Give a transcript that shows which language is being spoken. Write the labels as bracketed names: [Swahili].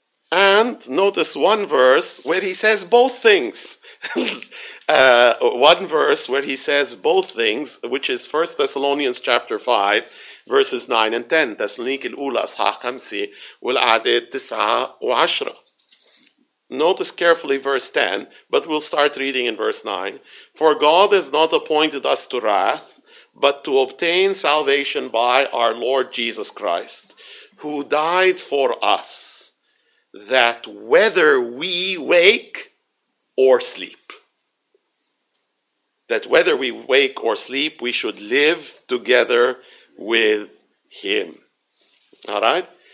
[English] And notice one verse where he says both things. one verse where he says both things, which is 1 Thessalonians chapter 5, verses 9 and 10. [Arabic] Thessaloniki الأولى أصحاح 5 والأعداد 9 و10. [English] Notice carefully verse 10, but we'll start reading in verse 9. For God has not appointed us to wrath, but to obtain salvation by our Lord Jesus Christ, who died for us, that whether we wake or sleep, that whether we wake or sleep, we should live together with him. All right?